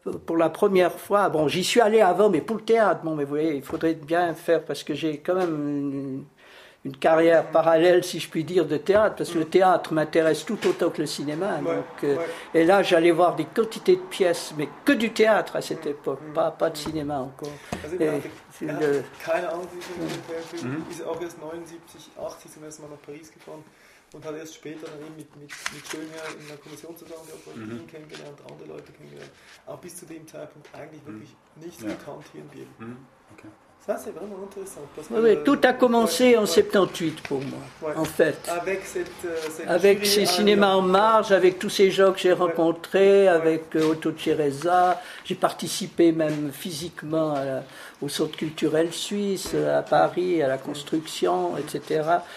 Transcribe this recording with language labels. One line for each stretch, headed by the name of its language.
French: Pour la première fois, j'y suis allé avant, mais pour le théâtre, mais vous voyez, il faudrait bien faire, parce que j'ai quand même une carrière parallèle, si je puis dire, de théâtre, parce que le théâtre m'intéresse tout autant que le cinéma. Et là, j'allais voir des quantités de pièces, mais que du théâtre à cette époque, pas de cinéma encore.
German: Keine Ahnung, wie viele Filme. Ist August 79, 80 zum ersten Mal nach Paris gekommen und hat erst später dann eben mit Schönherr in der Kommission zusammengearbeitet, ihn kennengelernt, andere Leute kennengelernt. Auch bis zu dem Zeitpunkt eigentlich wirklich nichts gekannt hier in Vienne.
French: Ça, c'est vraiment intéressant. Tout a commencé en 78 pour moi, en fait. Avec ces cinémas en marge, avec tous ces gens que j'ai rencontrés, avec Otto Ceresa. J'ai participé même physiquement au Centre culturel suisse, à Paris, à la construction, etc.